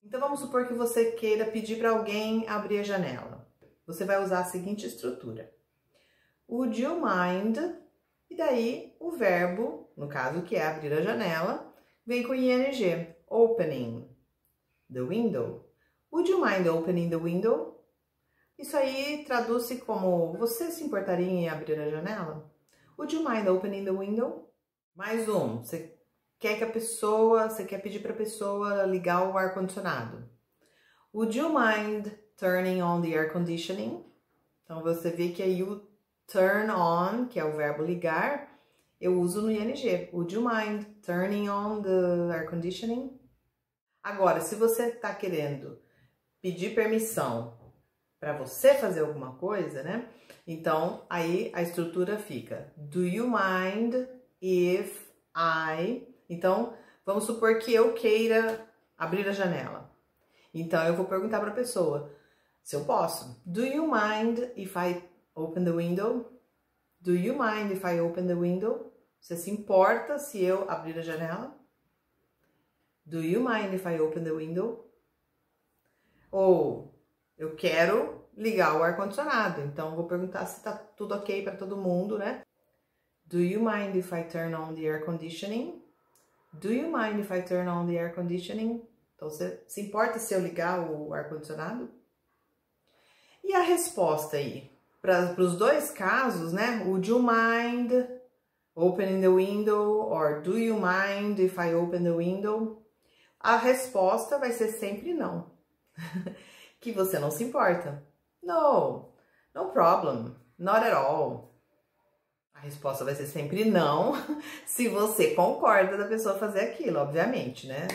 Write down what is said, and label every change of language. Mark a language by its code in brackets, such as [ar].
[pt] Então vamos supor que você queira pedir para alguém abrir a janela. Você vai usar a seguinte estrutura: [en] Would you mind? [pt] E daí o verbo, no caso que é abrir a janela, vem com ing, [en] opening the window. Would you mind opening the window? [pt] Isso aí traduz-se como: você se importaria em abrir a janela? [en] Would you mind opening the window? [pt] Mais um: você quer pedir para a pessoa ligar o ar-condicionado. [en] Would you mind turning on the air conditioning? [pt] Então você vê que aí o turn on, que é o verbo ligar, eu uso no ing. [en] Would you mind turning on the air conditioning? [pt] Agora, se você está querendo pedir permissão para você fazer alguma coisa, né? Então, aí a estrutura fica: [en] Do you mind if I? [pt] Então, vamos supor que eu queira abrir a janela. Então, eu vou perguntar para a pessoa se eu posso. [en] Do you mind if I open the window? Do you mind if I open the window? [pt] Você se importa se eu abrir a janela? [en] Do you mind if I open the window? [pt] Ou eu quero ligar o ar-condicionado, então eu vou perguntar se tá tudo ok para todo mundo, né? [en] Do you mind if I turn on the air conditioning? Do you mind if I turn on the air conditioning? [pt] Então você se importa se eu ligar o ar-condicionado? E a resposta aí? Para os dois casos, né? [en] Would you mind opening the window? Or do you mind if I open the window? [pt] A resposta vai ser sempre não. Que você não se importa. [en] No, no problem, not at all. [pt] A resposta vai ser sempre não, se você concorda da pessoa fazer aquilo, obviamente, né?